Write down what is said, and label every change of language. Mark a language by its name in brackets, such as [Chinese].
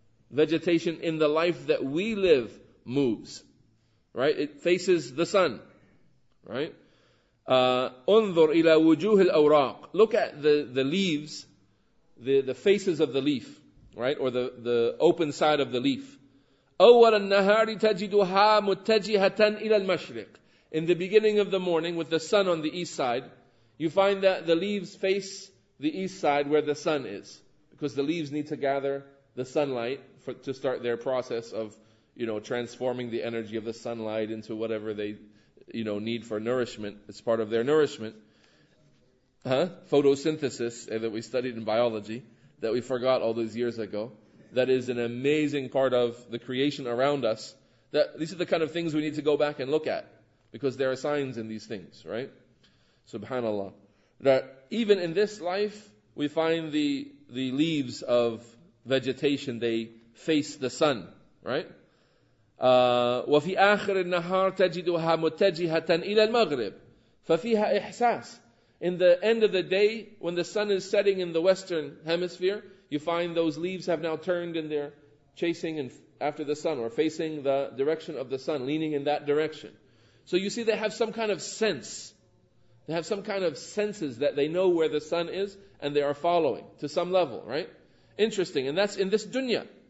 [English] Vegetation in the life that we live moves. Right? It faces the sun. Right? [Arabic] أُنظُرْ إِلَى وُجُوهِ الْأَوْرَاقِ. [English] Look at the leaves, the faces of the leaf. Right? Or the open side of the leaf. [Arabic] أول النهار تجدها متجهة إلى المشرق. [English] In the beginning of the morning, with the sun on the east side, you find that the leaves face the east side where the sun is, because the leaves need to gather the sunlight to start their process of, you know, transforming the energy of the sunlight into whatever they, you know, need for nourishment. It's part of their nourishment, huh? Photosynthesis that we studied in biology that we forgot all those years ago. That is an amazing part of the creation around us. That these are the kind of things we need to go back and look at, because there are signs in these things, right? Subhanallah. That even in this life, we find the leaves of vegetation, they face the sun, right? [Arabic] وفي آخر النهار تجدها متجهة إلى المغرب ففيها إحساس. [English] In the end of the day, when the sun is setting in the western hemisphere, you find those leaves have now turned and they're chasing and after the sun or facing the direction of the sun, leaning in that direction. So you see they have some kind of sense. They have some kind of senses that they know where the sun is and they are following to some level, right? Interesting. And that's in this dunya.